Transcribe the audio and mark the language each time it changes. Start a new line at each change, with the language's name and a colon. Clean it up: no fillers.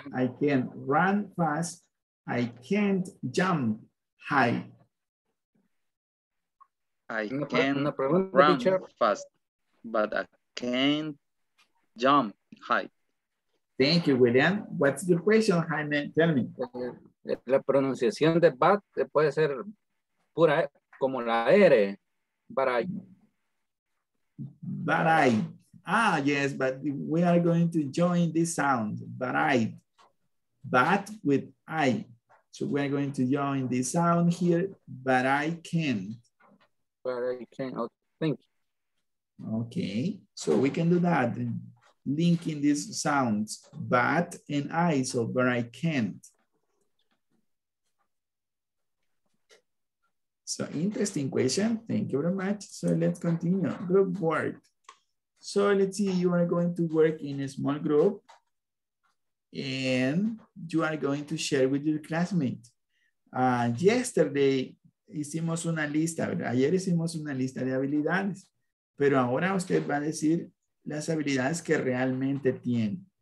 English: I can run fast. I can't jump high. I can run fast, but I can't jump high. Thank you, William. What's your question, Jaime? Tell me.
Spanish: La pronunciación de bat puede ser pura como la R, barai. Barai.
English: Ah, yes, but we are going to join this sound, barai. Bat with I. So we are going to join this sound here, but I can't. But I can't, oh, thank you. Okay, so we can do that. Linking these sounds, but and I, so but I can't. So interesting question. Thank you very much. So let's continue. Group work. So let's see, you are going to work in a small group and you are going to share with your classmate. Yesterday,
Spanish: hicimos una lista, ¿verdad? Ayer hicimos una lista de habilidades, pero ahora usted va a decir las habilidades que realmente tiene.